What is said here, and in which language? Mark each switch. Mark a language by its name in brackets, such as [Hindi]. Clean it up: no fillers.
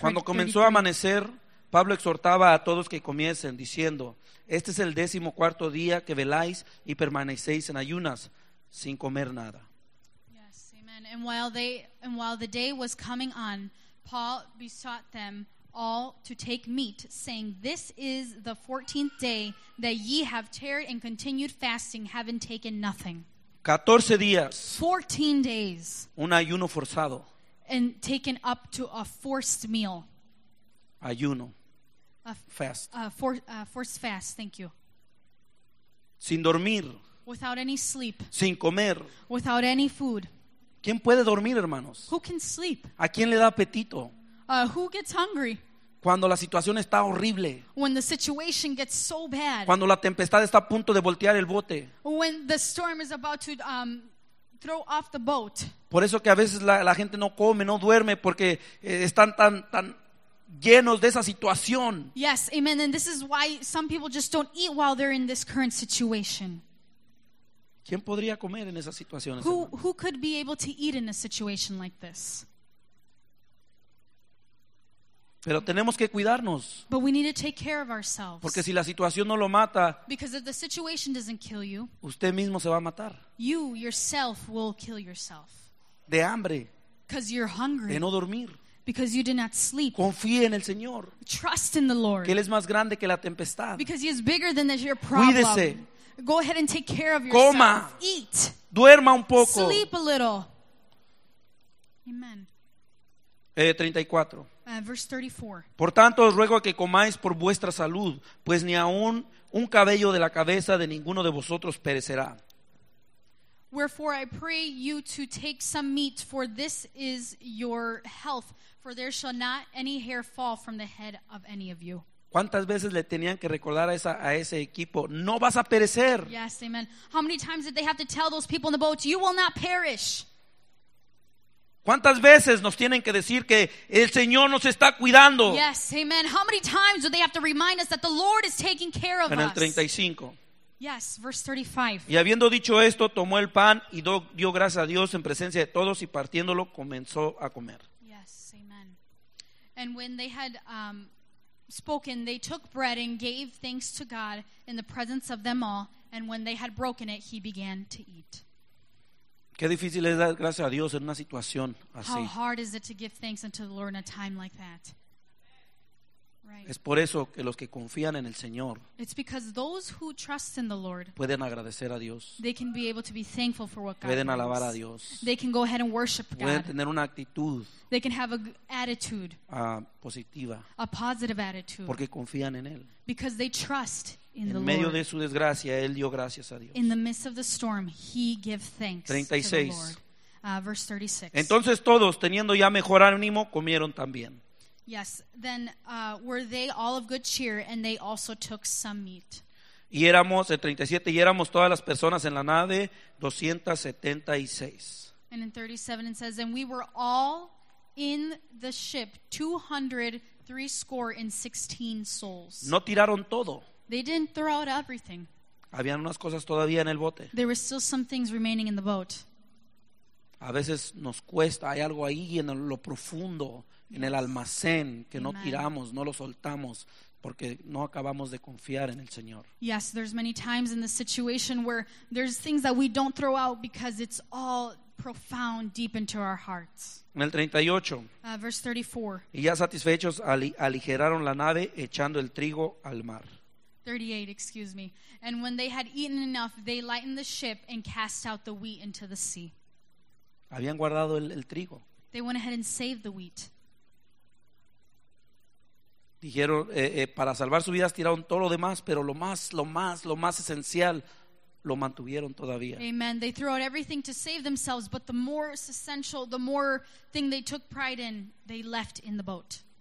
[Spanish] Cuando comenzó a amanecer, Pablo exhortaba a todos que comiesen, diciendo, este es el 14th día que veláis y permanecéis en ayunas, sin comer nada. [English] Yes, amen. And while the day was coming on, Paul besought them all to take meat, saying, this is the 14th day that ye have tarried and continued fasting, having taken nothing. [Spanish] 14 días. [English] 14 days. [Spanish] Un ayuno forzado. [English] And taken up to a forced meal. [Spanish] Ayuno. [English] Fast. Forced fast, thank you. [Spanish] Sin dormir. [English] Without any sleep. [Spanish] Sin comer. [English] Without any food. [Spanish] ¿Quién puede dormir, hermanos? [English] Who can sleep? [Spanish] ¿A quién le da apetito? [English] Who gets hungry? [Spanish] Cuando la situación está horrible. [English] When the situation gets so bad. [Spanish] Cuando la tempestad está a punto de voltear el bote. [English] When the storm is about to throw off the boat. [Spanish] Por eso que a veces la gente no come, no duerme, porque están tan llenos de esa situación. [English] Yes, amen. And this is why some people just don't eat while they're in this current situation. [Spanish] ¿Quién podría comer en esas situaciones? [English] Who could be able to eat in a situation like this? [Spanish] Pero tenemos que cuidarnos. [English] But we need to take care of ourselves. [Spanish] Porque si la situación no lo mata, [English] because if the situation doesn't kill you, [Spanish] usted mismo se va a matar. [English] You yourself will kill yourself. [Spanish] De hambre. [English] Because you're hungry. [Spanish] De no dormir. [English] Because you did not sleep. [Spanish] Confíe en el Señor. [English] Trust in the Lord. [Spanish] Que Él es más grande que la tempestad. [English] Because He is bigger than your problem. [Spanish] Cuídese. [English] Go ahead and take care of yourself. [Spanish] Coma. [English] Eat. [Spanish] Duerma un poco. [English] Sleep a little. Amen. [Spanish] 34. [English] Verse 34. [Spanish] Por tanto os ruego que comáis por vuestra salud, pues ni aun un cabello de la cabeza de ninguno de vosotros perecerá. [English] Wherefore I pray you to take some meat, for this is your health, for there shall not any hair fall from the head of any of you. [Spanish] ¿Cuántas veces le tenían que recordar a ese equipo, no vas a perecer? [English] Yes, amen. How many times did they have to tell those people in the boats, you will not perish? [Spanish] ¿Cuántas veces nos tienen que decir que el Señor nos está cuidando? [English] Yes, amen. How many times do they have to remind us that the Lord is taking care of us? [Spanish] En el 35. [English] Yes, verse 35. [Spanish] Y habiendo dicho esto, tomó el pan y dio gracias a Dios en presencia de todos y partiéndolo comenzó a comer. [English] Yes, amen. And when they had spoken, they took bread and gave thanks to God in the presence of them all, and when they had broken it, he began to eat. [Spanish] Qué difícil es dar gracias a Dios en una situación así. [English] How hard is it to give thanks unto the Lord in a time like that? Right. [Spanish] Es por eso que los que confían en el Señor. [English] It's because those who trust in the Lord. [Spanish] Pueden agradecer a Dios. [English] They can be able to be thankful for what God. [Spanish] Pueden alabar a Dios. [English] They can go ahead and worship God. [Spanish] Pueden tener una actitud. [English] They can have an attitude. [Spanish] Positiva. [English] A positive attitude. [Spanish] Porque confían en él. [English] Because they trust in [Spanish] en medio [English] Lord. [Spanish] De su desgracia, él dio gracias a Dios. [English] In the midst of the storm, he gave thanks [Spanish] 36. [English] To the Lord. Verse 36. [Spanish] Entonces todos, teniendo ya mejor ánimo, comieron también. [English] Yes, then were they all of good cheer, and they also took some meat. [Spanish] Y éramos, el 37, y éramos todas las personas en la nave, 276. [English] And in 37 it says, and we were all in the ship, 216 souls. [Spanish] No tiraron todo. [English] They didn't throw out everything. [Spanish] Habían unas cosas todavía en el bote. [English] There were still some things remaining in the boat. [Spanish] A veces nos cuesta, hay algo ahí en lo profundo, en el almacén, que no tiramos, no lo soltamos, porque no acabamos de confiar en el Señor. [English] Yes, there's many times in the situation where there's things that we don't throw out because it's all profound deep into our hearts. [Spanish] En el 38. [English] Verse 34. [Spanish] Y ya satisfechos aligeraron la nave echando el trigo al mar. [English] 38, excuse me. And when they had eaten enough, they lightened the ship and cast out the wheat into the sea. [Spanish] Habían guardado el trigo. [English] They went ahead and saved the wheat. [Spanish] Dijeron, para salvar sus vidas tiraron todo lo demás, pero lo más esencial lo mantuvieron todavía. [English] Amen. They threw out everything to save themselves, but the more essential, the more thing they took pride in, they left in the boat.